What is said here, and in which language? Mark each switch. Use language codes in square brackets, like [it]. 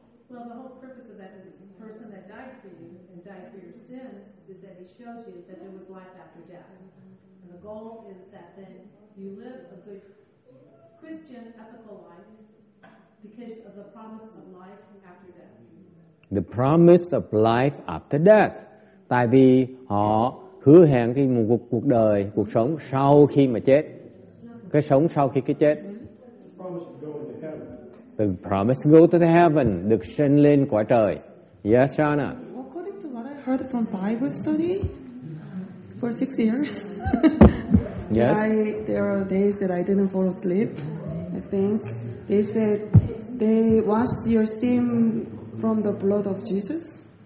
[en] Well, the whole purpose of that is the person that died for you and died for your sins is that he shows you that there was life after death. And the goal is that then you live a good Christian ethical life because of the promise of life after death. The promise of life after death. [vi] Tại vì họ hứa hẹn cái một cuộc đời, cuộc sống sau khi mà chết. Cái sống sau khi cái chết. [en] The promise to go to the heaven, [vi] được sinh lên quả trời. [en] Yes, Shana. According to what I heard from Bible study for 6 years, yes. There are days that I didn't fall asleep, I think. They said they washed your sin from the blood of Jesus.